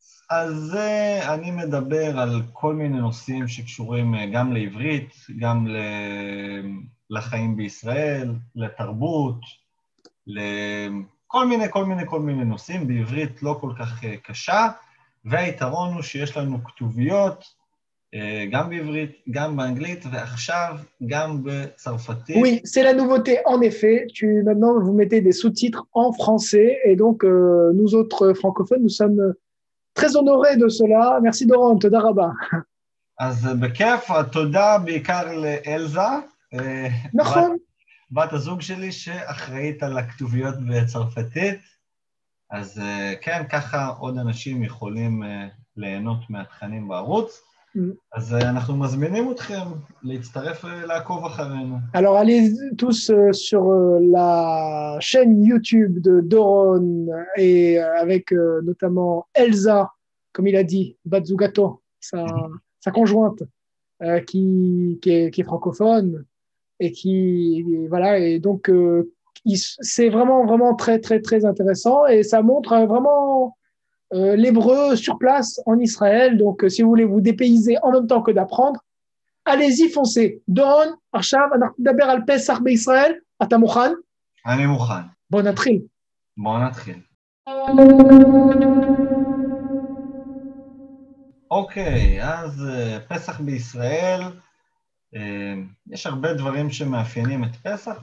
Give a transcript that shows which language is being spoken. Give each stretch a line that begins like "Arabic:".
Hebrew: אז אני מדבר על כל מיני נושאים שקשורים גם לעברית, גם לחיים בישראל, לתרבות, לכל מיני, כל מיני, כל מיני נושאים, בעברית לא כל כך קשה, והיתרון הוא שיש לנו כתוביות, גם בעברית, גם באנגלית, ועכשיו גם בצרפתית.
French: Oui, c'est la nouveauté, en effet. Tu, maintenant, vous mettez des sous-titres en français, et donc, nous autres francophones, nous sommes très honorés de cela. Merci, Doron,
Hebrew: תודה רבה. אז בכיף, תודה בעיקר לאלזה. נכון. בת הזוג שלי שאחראית על הכתוביות בצרפתית, אז כן, ככה עוד אנשים יכולים ליהנות מהתכנים בערוץ, אז אנחנו מזמינים אתכם להצטרף לעקוב אחרינו.
French: Alors allez tous sur la chaîne YouTube de Doron et avec notamment Elsa, comme il a dit, Batzugato, sa conjointe qui est francophone. Et qui et voilà et donc c'est vraiment vraiment très très très intéressant et ça montre vraiment l'hébreu sur place en Israël. Donc si vous voulez vous dépayser en même temps que d'apprendre, allez-y, foncez.
Hebrew: Doron, עכשיו אנחנו נדבר על פסח בישראל. אתה מוכן? אני מוכן. בוא נתחיל. בוא נתחיל. אוקיי, אז פסח בישראל, יש הרבה דברים שמאפיינים את פסח.